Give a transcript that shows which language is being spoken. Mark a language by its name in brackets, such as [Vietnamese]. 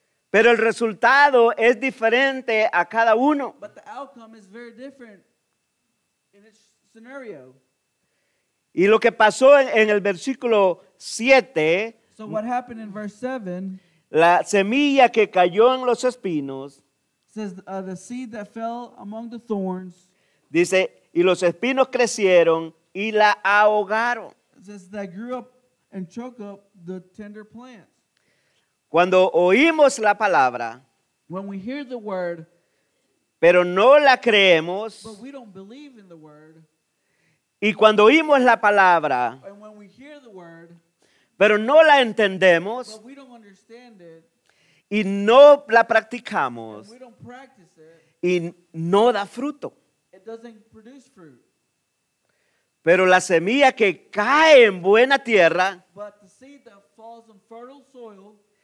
[Spanish] Pero el resultado es diferente a cada uno. [English] But the outcome is very different in its scenario. [Spanish] Y lo que pasó en el versículo 7. [English] So what happened in verse 7. [Spanish] La semilla que cayó en los espinos. [English] Says the seed that fell among the thorns. [Spanish] Dice, y los espinos crecieron y la ahogaron. [English] Says that grew up and choked up the tender plant. [Spanish] Cuando oímos la palabra, [English] when we hear the word, [Spanish] pero no la creemos, [English] but we don't believe in the word, [Spanish] y cuando oímos la palabra, [English] and when we hear the word, [Spanish] pero no la entendemos, [English] but we don't understand it, [Spanish] y no la practicamos, [English] and we don't practice it, [Spanish] y no da fruto. [English] It doesn't produce fruit. [Spanish] Pero la semilla que cae en buena tierra, [English] but the seed that falls in fertile soil,